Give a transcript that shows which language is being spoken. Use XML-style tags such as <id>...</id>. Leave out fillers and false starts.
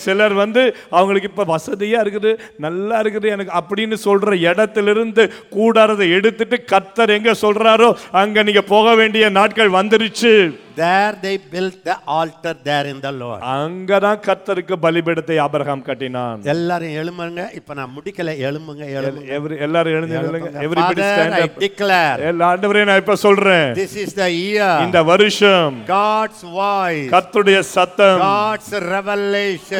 <ta>சிலர் வந்து அவங்களுக்கு இப்ப வசதியா இருக்குது நல்லா இருக்குது எனக்கு அப்படின்னு சொல்ற இடத்திலிருந்து கூடாரத்தை எடுத்துட்டு கர்த்தர் எங்க சொல்றாரோ அங்க நீங்க போக வேண்டிய நாட்கள் வந்துருச்சு.</ta> <en>There they built the altar there in the Lord.</en> <ta>அங்க தான் கர்த்தருக்கு பலிபீடத்தை ஆபிரகாம் கட்டினான். எல்லாரும் எழும்புங்க. இப்ப நான் முடிக்கல. எழும்புங்க. எல்லாரும் எழுந்துருங்க.</ta> <en>Everybody stand up. I declare.</en> <ta>ஆண்டவரே நான் இப்ப சொல்றேன்.</ta> <en>This is the year.</en> <ta>இந்த வருஷம்.</ta> <en>God's voice.</en> <ta>கர்த்தருடைய சத்தம்.</ta> <en>God's revelation.</en>